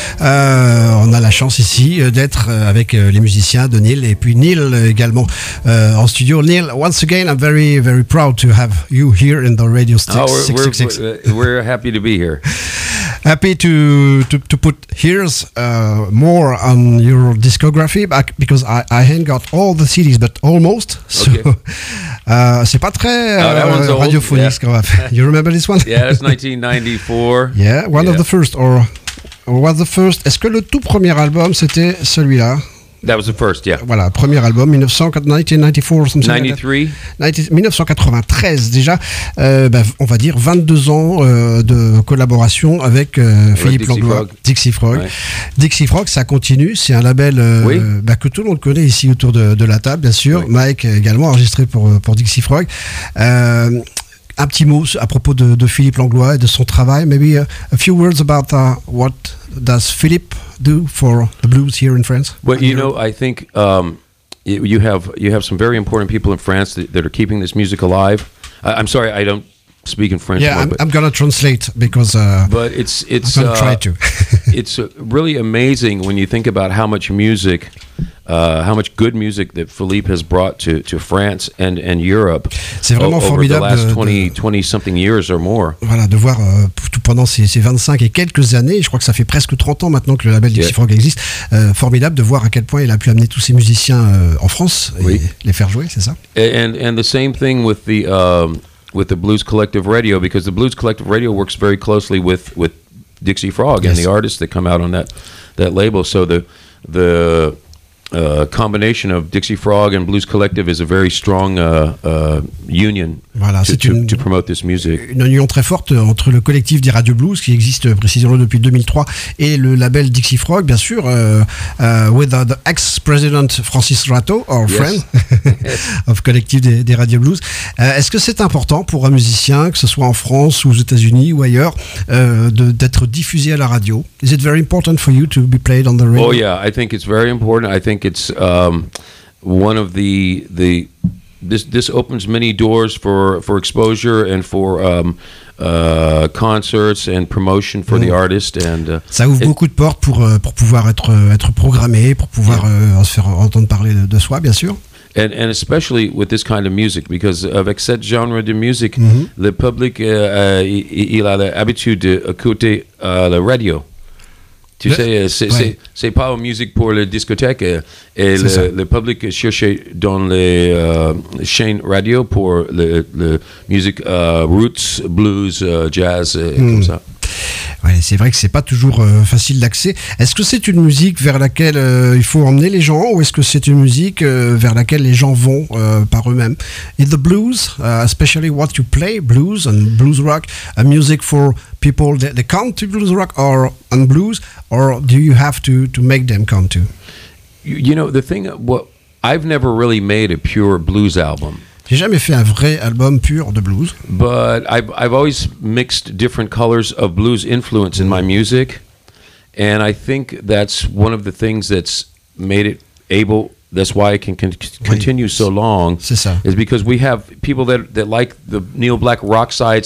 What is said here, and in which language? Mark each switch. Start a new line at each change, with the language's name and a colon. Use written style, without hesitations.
French: On a la chance ici d'être avec les musiciens de Neil et puis Neil également en studio.
English: Neil, once again, I'm very, very proud to have you here in the radio station. Oh, we're happy to be here. Happy to put here's more on your discography back, because I ain't got all the CDs, but almost. So, okay.
French: C'est pas très radiophonique.
English: Yeah. You remember this one? Yeah, it's 1994. Yeah, one of the first, or was the first.
French: Est-ce que le tout premier album, c'était celui-là?
English: That was the first, yeah.
French: Voilà, premier album, 1994,
English: something
French: 1993, déjà. On va dire 22 ans de collaboration avec Philippe Langlois, Dixie Frog. Right. Dixie Frog, ça continue. C'est un label que tout le monde connaît ici autour de la table, bien sûr. Oui. Mike également enregistré pour Dixie Frog. Un petit mot à propos de Philippe Langlois et de son travail.
English: Maybe a few words about what does Philippe do for the blues here in France? Well, I think you have some very important people in France that are keeping this music alive. I'm sorry, I don't speak in French. Yeah, anymore, I'm going to translate because. But it's I'm going to try to. It's really amazing when you think about how much music. How much good music that Philippe has brought to France and Europe.
French: C'est vraiment formidable
English: over the last 20 something years or more.
French: Voilà, de voir tout pendant ces 25 et quelques années, je crois que ça fait presque 30 ans maintenant que le label Dixie Frog existe. Formidable de voir à quel point il a pu amener tous ces musiciens en France et les faire jouer, c'est ça?
English: And the same thing with the Blues Collective Radio, because the Blues Collective Radio works very closely with Dixie Frog and the artists that come out on that label. So the combination of Dixie Frog and Blues Collective is a very strong union to promote this music.
French: Une union très forte entre le collectif des Radio Blues qui existe précisément depuis 2003 et le label Dixie Frog, bien sûr,
English: with the ex-president Francis Ratto, our friend of
French: collectif des Radio Blues. Est-ce que c'est important pour un musicien, que ce soit en France ou aux États-Unis ou ailleurs, d'être diffusé à la radio?
English: Is it very important for you to be played on the radio? Oh yeah, I think it's very important. I think it's one of this opens many doors for exposure and for concerts and promotion for the artist and
French: ça ouvre beaucoup de portes pour pouvoir être programmé, pour pouvoir se faire entendre parler de soi, bien sûr.
English: And especially with this kind of music, because
French: avec cette genre de musique, le public il a l'habitude d'écouter la radio. Tu sais, c'est pas une musique pour les discothèques et le public cherche dans les chaînes radio pour le musique roots, blues, jazz, comme ça. Ouais, c'est vrai que c'est pas toujours facile d'accès. Est-ce que c'est une musique vers laquelle il faut emmener les gens ou est-ce que c'est une musique vers laquelle les gens vont par eux-mêmes?
English: Is the blues, especially what you play, blues and blues rock, a music for people that come to blues rock or on blues, or do you have to make them come to? You know, the thing, I've never really made a pure blues album.
French: J'ai jamais fait un vrai album pur de blues.
English: But I've always mixed different colors of blues influence in my music, and I think that's one of the things that's made it able That's why it can continue so long.
French: C'est ça.
English: Is because we have people that like the neo-black rock side.